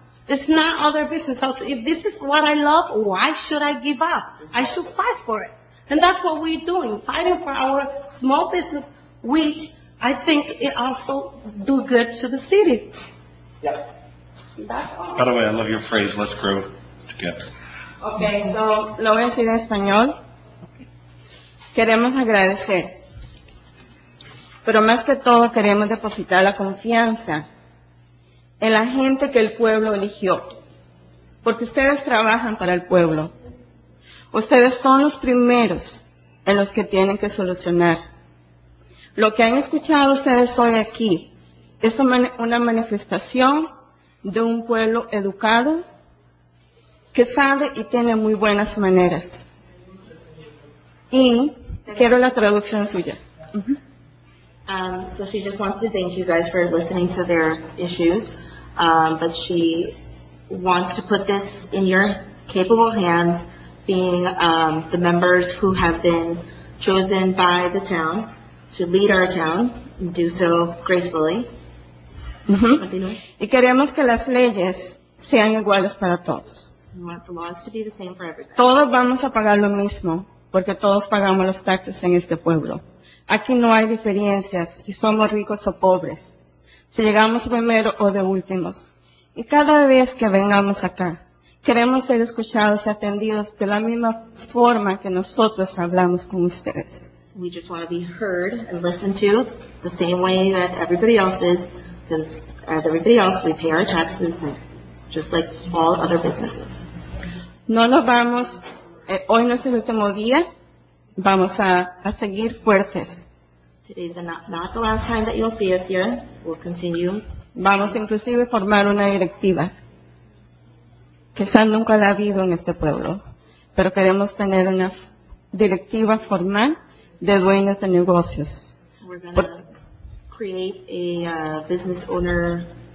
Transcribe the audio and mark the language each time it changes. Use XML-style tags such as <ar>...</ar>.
<en>It's not other business. So if this is what I love, why should I give up? I should fight for it. And that's what we're doing, fighting for our small business, which I think it also do good to the city. Yeah. That's all. By the way, I love your phrase, let's grow together. Okay, so</en> <es>lo voy a decir en español. Queremos agradecer, pero más que todo queremos depositar la confianza en la gente que el pueblo eligió, porque ustedes trabajan para el pueblo. Ustedes son los primeros en los que tienen que solucionar. Lo que han escuchado ustedes hoy aquí es una manifestación de un pueblo educado que sabe y tiene muy buenas maneras. Y quiero la traducción suya.</es> <en>So she just wants to thank you guys for listening to their issues, but she wants to put this in your capable hands, being the members who have been chosen by the town to lead our town and do so gracefully.</en> <es>Y queremos que las leyes sean iguales para todos.</es> <en>We want the laws to be the same for everybody.</en> <es>Todos vamos a pagar lo mismo, porque todos pagamos los taxes en este pueblo. Aquí no hay diferencias si somos ricos o pobres, si llegamos primero o de últimos. Y cada vez que vengamos acá, Queremos ser escuchados y atendidos de la misma forma que nosotros hablamos con ustedes.</es> <en>We just want to be heard and listened to the same way that everybody else is, because as everybody else, we pay our taxes just like all other businesses.</en> <es>No nos vamos, hoy no es el último día, vamos a seguir fuertes.</es> <en>Today is not the last time that you'll see us here. We'll continue.</en> <es>Vamos inclusive a formar una directiva. Quizás nunca la ha habido en este pueblo, pero queremos tener una directiva formal de dueños de negocios.</es> <en>We're going to create a business owner</en>